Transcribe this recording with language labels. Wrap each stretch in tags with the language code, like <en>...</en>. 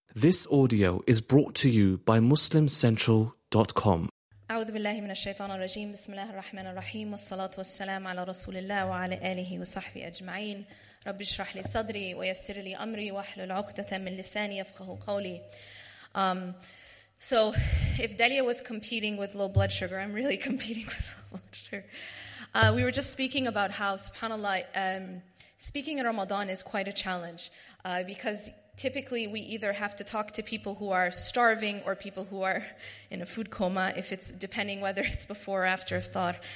<en>This audio is brought to you by MuslimCentral.com.</en> <ar>أعوذ بالله من الشيطان الرجيم. بسم الله الرحمن الرحيم. والصلاة والسلام على رسول الله وعلى آله وصحبه أجمعين. رب اشرح لي صدري ويسر لي أمري واحلل عقدة من لساني يفقه قولي.</ar> <en>So if Delia was competing with low blood sugar, I'm really competing with low blood sugar. We were just speaking about how, subhanAllah, speaking in Ramadan is quite a challenge because typically we either have to talk to people who are starving or people who are in a food coma, if it's depending whether it's before or after iftar.</en>